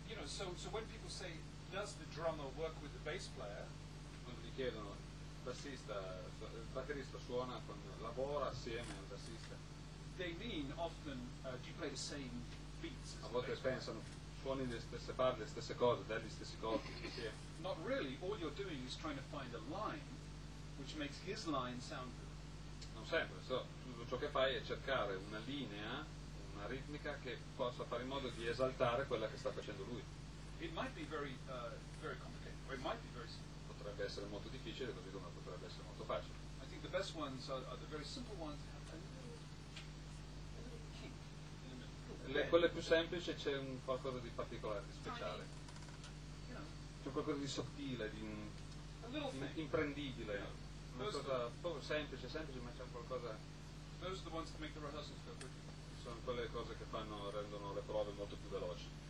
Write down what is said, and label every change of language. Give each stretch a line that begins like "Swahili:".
English: So when people say, does the drummer work with the bass player?
Italian: Quando gli chiedono, bassista, batterista suona con, lavora assieme al bassista.
English: They mean often, do you play the same beats?
Italian: A volte pensano, suoni le stesse parti, le stesse cose, dai gli stessi colpi.
English: Not really. All you're doing is trying to find a line which makes his line sound good.
Italian: Non sempre. So, tutto ciò che fai è cercare una linea, una ritmica che possa fare in modo di esaltare quella che sta facendo lui.
English: It might be very complicated, or it might be very simple.
Italian: Potrebbe essere molto difficile, così come potrebbe essere molto facile.
English: I think the best ones are the very simple ones that have a little kink in the middle.
Italian: Quelle più semplici c'è un qualcosa di particolare, di speciale. C'è qualcosa di sottile, di imprendibile. Una cosa semplice, ma c'è qualcosa.
English: Those are the ones that make the rehearsals go quicker.
Italian: Sono quelle cose che rendono le prove molto più veloci.